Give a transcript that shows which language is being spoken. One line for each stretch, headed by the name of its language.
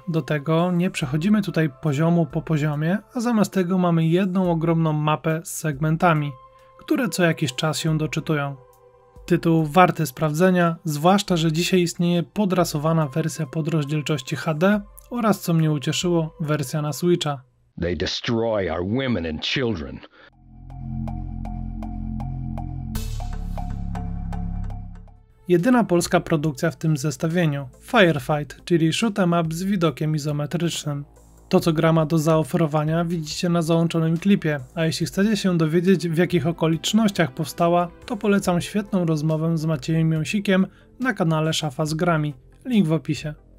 Polish: Do tego nie przechodzimy tutaj poziomu po poziomie, a zamiast tego mamy jedną ogromną mapę z segmentami, które co jakiś czas się doczytują. Tytuł warty sprawdzenia, zwłaszcza że dzisiaj istnieje podrasowana wersja pod rozdzielczości HD oraz, co mnie ucieszyło, wersja na Switcha.
English: They destroy our women and children.
Polish: Jedyna polska produkcja w tym zestawieniu, Firefight, czyli shoot'em up z widokiem izometrycznym. To co gra ma do zaoferowania widzicie na załączonym klipie, a jeśli chcecie się dowiedzieć w jakich okolicznościach powstała, to polecam świetną rozmowę z Maciejem Jąsikiem na kanale Szafa z Grami, link w opisie.